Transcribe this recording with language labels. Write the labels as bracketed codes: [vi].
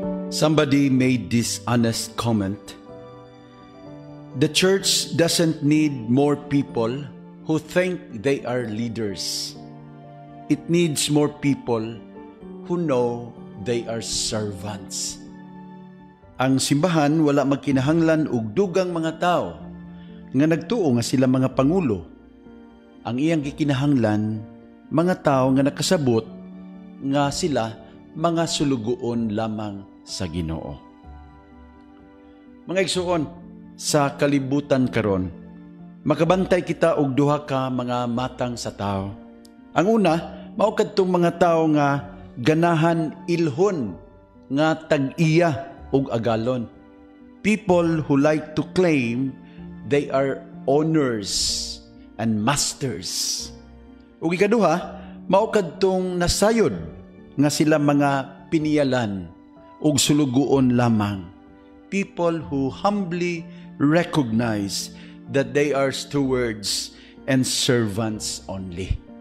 [en] Somebody made this honest comment. The church doesn't need more people who think they are leaders. It needs more people who know they are servants. [ceb] Ang simbahan wala makinahanglan og dugang mga tao nga nagtuo nga sila mga pangulo. Ang iyang gikinahanglan mga tao nga nakasabot nga sila mga sulugoon lamang sa Ginoo. Mga igsoon, sa kalibutan karon, makabantay kita og duha ka mga matang sa tao. Ang una, mao kadtong mga tao nga ganahan ilhon nga tag-iya og agalon. [en] People who like to claim they are owners and masters. [ceb] Ug ikaduha, mao kadtong nasayod nga sila mga pinialan ug sulugoon lamang. [en] People who humbly recognize that they are stewards and servants only.